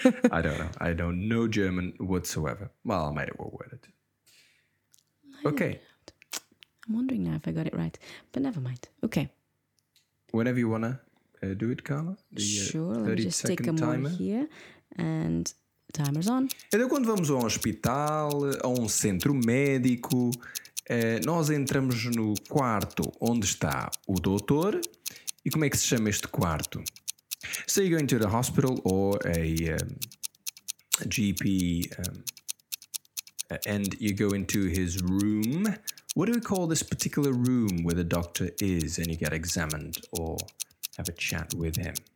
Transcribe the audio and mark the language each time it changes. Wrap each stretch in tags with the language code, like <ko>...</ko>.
<en>I don't know. I don't know German whatsoever. Well, I might have worded it. Okay. I'm wondering now if I got it right, but never mind. Okay. Whenever you wanna do it, Carla. Sure. Let me just take a moment here, and timer's on.</en> <pt>Então, quando vamos a um hospital, a um centro médico, nós entramos no quarto onde está o doutor. E como é que se chama este quarto?</pt> <en>So you go into the hospital or a GP and you go into his room. What do we call this particular room where the doctor is and you get examined or have a chat with him?</en>